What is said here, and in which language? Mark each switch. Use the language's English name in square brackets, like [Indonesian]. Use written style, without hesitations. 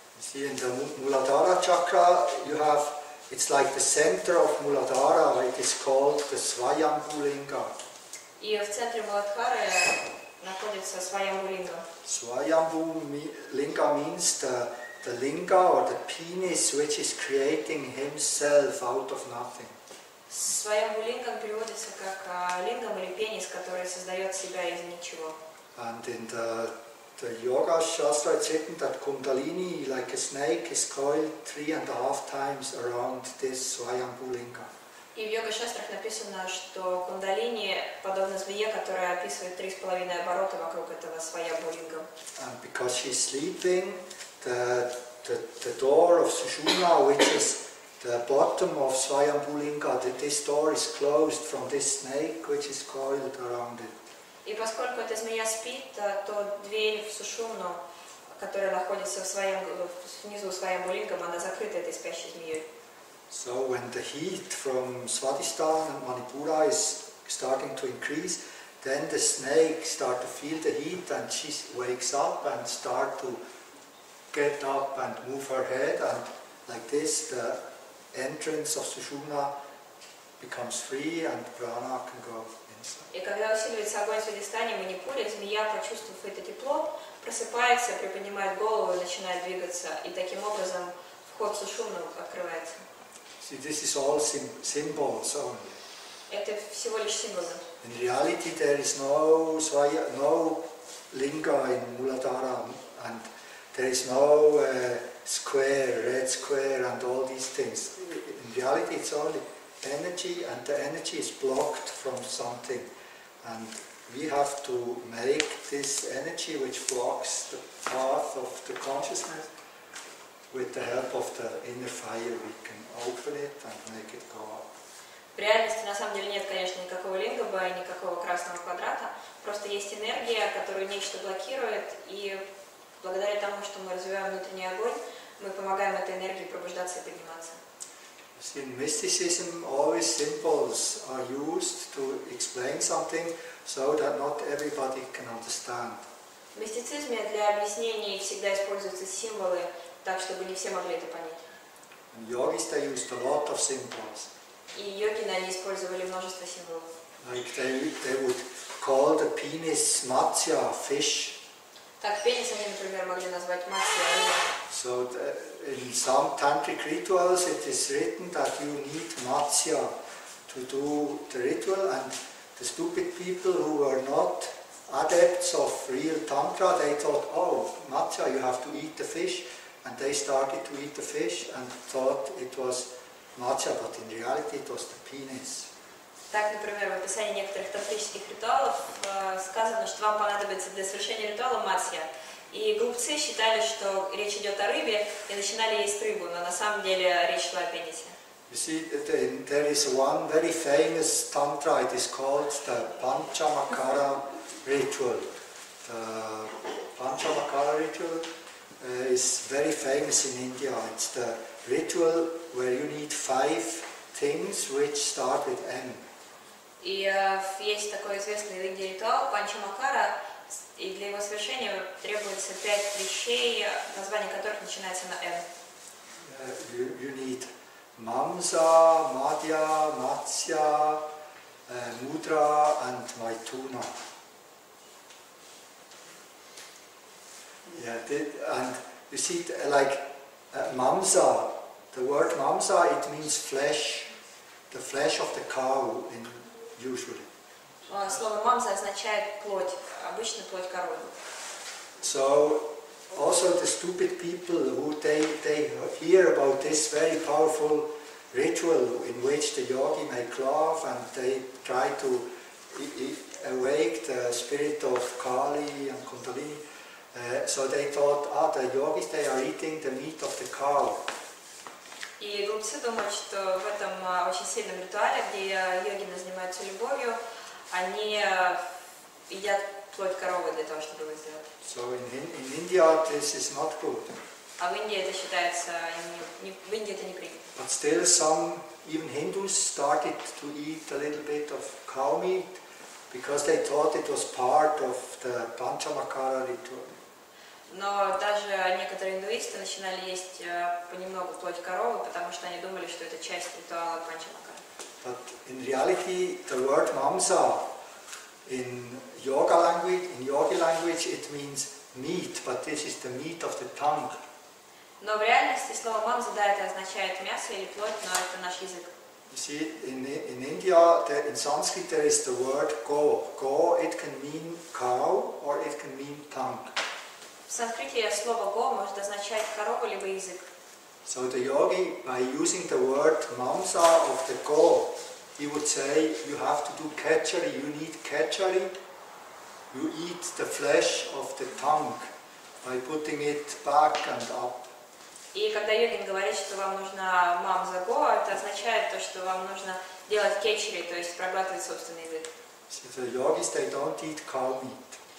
[English] See, in the Muladhara chakra, you have, it's like the center of Muladhara, it is called the Svayambhulinga. [Russian] И в центре Муладхары находится Свайямбулинга. [English] Свайямбулинга means the linga or the penis which is creating himself out of nothing. [Russian] Свайямбулинга переводится как лингам или пенис, который создает себя из ничего. [English] And in the yoga shastra it's written that kundalini, like a snake, is coiled 3.5 times around this Свайямбулинга. [Russian] И в йога-шастрах написано, что кундалини подобно змее, которая описывает 3.5 оборота вокруг этого Свайямбулинга. [English] And because she's sleeping, the door of Sushumna, which is the bottom of Svayambhulinga, this door is closed from this snake which is coiled around it. [Russian] И поскольку эта змея спит, то дверь в Сушумну, которая находится в своем внизу Свайямбхулинга, она закрыта этой спящей змеей. [English] So when the heat from Swadhisthana and Manipura is starting to increase, then the snake start to feel the heat and she wakes up and start to get up and move her head, and like this the entrance of Sushumna becomes free and prana can go inside. [Russian] И когда усиливается огонь в Свадхистане, Манипуре, змея, почувствовав это тепло, просыпается, приподнимает голову и начинает двигаться, и таким образом вход в Сушумну открывается. [English] See, this is all symbols only. [Russian] Это всего лишь символы. [English] In reality there is no Svaya, no linga in Muladhara, and there is no square, red square, and all these things. In reality, it's only energy, and the energy is blocked from something. And we have to make this energy, which blocks the path of the consciousness, with the help of the inner fire, we can open it and make it go up. [Russian] В реальности на самом деле нет, конечно, никакого лингаба и никакого красного квадрата. Просто есть энергия, которую нечто блокирует, и благодаря тому, что мы развиваем внутренний огонь, мы помогаем этой энергии пробуждаться и подниматься. [English] In mysticism, always symbols are used to explain something so that not everybody can understand. [Russian] В мистицизме для объяснений всегда используются символы, так чтобы не все могли это понять. [English] And yogis, they used a lot of symbols. [Russian] И йогины, они использовали множество символов. [English] Like they would call the penis matsya, fish. [Russian] Так пенис они, например, могли назвать матсья, рыба. [English] So in some tantric rituals it is written that you need matsya to do the ritual, and the stupid people who were not adepts of real tantra, they thought, oh, matsya, you have to eat the fish, and they started to eat the fish and thought it was matsya, but in reality it was the penis. [Russian] Так, например, в описании некоторых тантрических ритуалов сказано, что вам понадобится для совершения ритуала матсья. И глупцы считали, что речь идет о рыбе, и начинали есть рыбу, но на самом деле речь шла о пенисе. [English] You see, there is one very famous tantra, it is called the Panchamakara ritual. The Panchamakara ritual is very famous in India. It's the ritual where you need 5 things which start with M. [Russian] И есть такой известный в Индии ритуал Панчамакара, и для его совершения требуется 5 вещей, название которых начинается на М. [English] You need Мамса, Мадья, Матсья, Мудра and Майтуна. Yeah, and you see, like Мамса, the word Мамса, it means flesh, the flesh of the cow in usually. [Russian] Слово мамза означает плоть, обычно плоть коровы. [English] So also the stupid people who they hear about this very powerful ritual in which the yogi make love and they try to awake the spirit of Kali and Kundalini. So they thought, ah, the yogis, they are eating the meat of the cow. [Russian] И глупцы думают, что в этом очень сильном ритуале, где йогины занимаются любовью, они едят плоть коровы для того, чтобы его сделать. [English] So in India this is not good. [Russian] А в Индии это считается не в Индии это не принято. [English] But still some even Hindus started to eat a little bit of cow meat because they thought it was part of the Panchamakara ritual. [Russian] Но даже некоторые индуисты начинали есть понемногу плоть коровы, потому что они думали, что это часть ритуала Панчамакара. [English] But in reality the word mamsa in yoga language, in yogi language it means meat, but this is the meat of the tongue. [Russian] Но в реальности слово мамза, да, это означает мясо или плоть, но это наш язык. [English] You see, in India, in Sanskrit there is the word go. Go, it can mean cow or it can mean tongue. [Russian] В санскрите слово го может означать корову либо язык. [English] So the yogi, by using the word mamsa of the go, he would say, you have to do kachari, you need kachari, you eat the flesh of the tongue by putting it back and up. [Russian] И когда йогин говорит, что вам нужна мамза го, это означает то, что вам нужно делать кечари, то есть проглатывать собственный язык. [English] So the yogis, they don't eat cow meat.